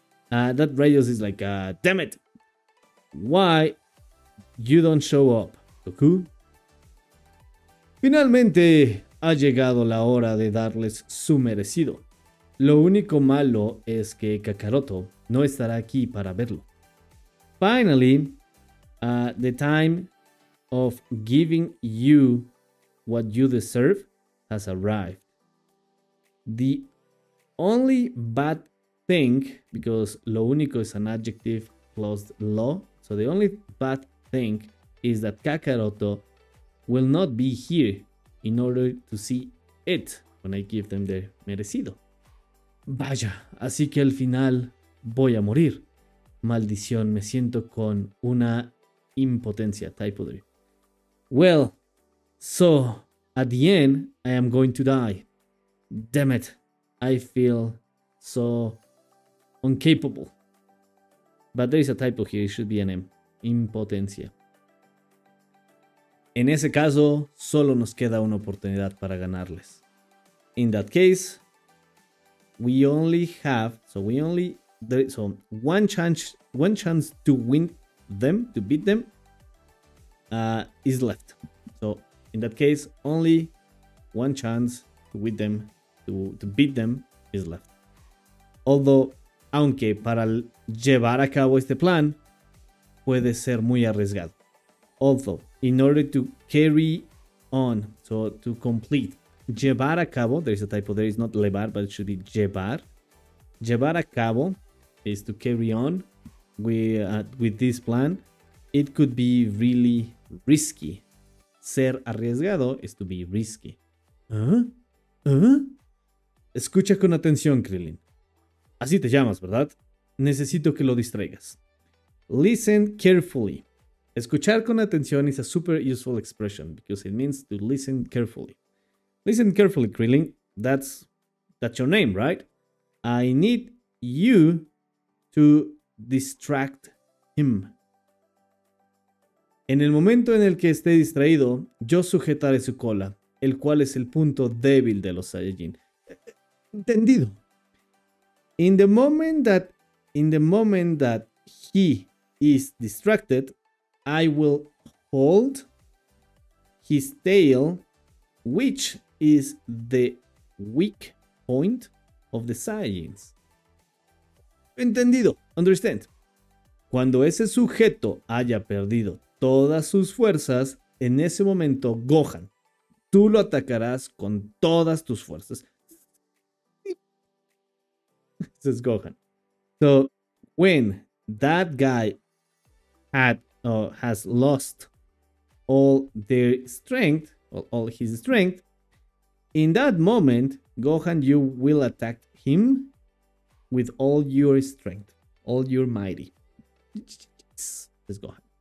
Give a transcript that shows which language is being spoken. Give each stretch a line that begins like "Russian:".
English: That rayos is like, damn it. Why you don't show up, Goku?
Spanish: Finalmente ha llegado la hora de darles su merecido. Lo único malo es que Kakaroto no estará aquí para verlo.
English: Finally, the time of giving you what you deserve has arrived. The only bad thing, because lo único is an adjective plus lo, so the only bad thing is that Kakaroto will not be here in order to see it when I give them their merecido.
Spanish: Vaya, así que al final voy a morir. Maldición, me siento con una impotencia.
English: Typo 3. Well, so at the end, I am going to die. Damn it, I feel so incapable. But there is a typo here, it should be an M.
Spanish: Impotencia. En ese caso, solo nos queda una oportunidad para ganarles.
English: In that case, we only have, so we only, there, so one chance to win them, to beat them, is left. So in that case, only one chance to beat them, to beat them is left.
Spanish: Although, aunque para llevar a cabo este plan, puede ser muy arriesgado.
English: Although, in order to carry on, so to complete, llevar a cabo, there is a typo there, it's not llevar, but it should be llevar. Llevar a cabo is to carry on with this plan. It could be really risky. Ser arriesgado is to be risky.
Spanish: Escucha con atención, Krillin. Así te llamas, ¿verdad? Necesito que lo distraigas.
English: Listen carefully. Escuchar con atención is a super useful expression because it means to listen carefully. Listen carefully, Krillin. That's your name, right? I need you to distract him.
Spanish: En el momento en el que esté distraído, yo sujetaré su cola, el cual es el punto débil de los Saiyajin. Entendido.
English: In the moment that he is distracted, I will hold his tail, which is the weak point of the Saiyans.
Spanish: Entendido.
English: Understand.
Spanish: Cuando ese sujeto haya perdido todas sus fuerzas, en ese momento, Gohan, tú lo atacarás con todas tus fuerzas.
English: This is Gohan. So, when that guy has lost all their strength, all his strength, in that moment, Gohan, you will attack him with all your strength, all your mighty. This is Gohan.